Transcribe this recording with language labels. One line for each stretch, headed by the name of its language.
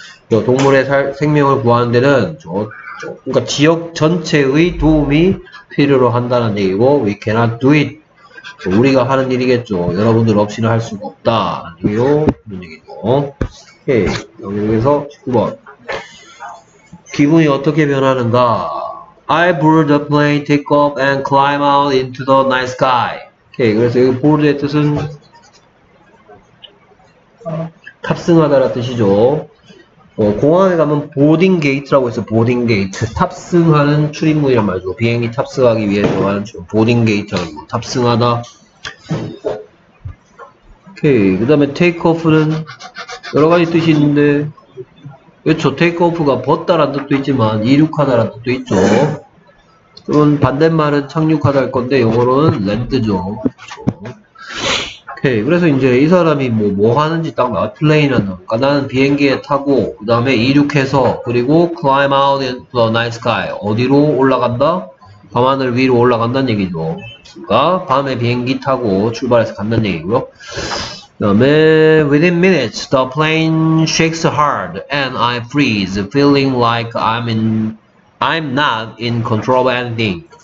Korean: 동물의 생명을 구하는 데는 그러니까 지역 전체의 도움이 필요로 한다는 얘기고
English: We cannot do it.
Korean: 우리가 하는 일이겠죠. 여러분들 없이는 할 수가 없다. 이런 얘기고. 오케이. 여기서 19번. 기분이 어떻게 변하는가?
English: I board the plane, take off, and climb out into the night sky.
Korean: 오케이. 그래서 여기 board의 뜻은 탑승하다라는 뜻이죠. 공항에 가면 보딩 게이트라고 해서 보딩 게이트. 탑승하는 출입문이란 말이죠. 비행기 탑승하기 위해서 하는 보딩 게이트라고. 탑승하다. 오케이. 그 다음에 테이크오프는 여러 가지 뜻이 있는데, 그렇죠. 테이크오프가 벗다라는 뜻도 있지만, 이륙하다라는 뜻도 있죠. 그럼 반대말은 착륙하다 할 건데, 영어로는 랜드죠. 오케이. 그래서 이제 이 사람이 뭐 하는지 딱 나와. 플레인은 그러니까 나는 비행기에 타고 그 다음에 이륙해서 그리고
English: climb out into the night sky.
Korean: 어디로 올라간다? 밤하늘 위로 올라간다는 얘기죠. 그러니까 밤에 비행기 타고 출발해서 간다는 얘기고요. 그 다음에
English: within minutes the plane shakes hard and I freeze feeling like I'm not in control of anything.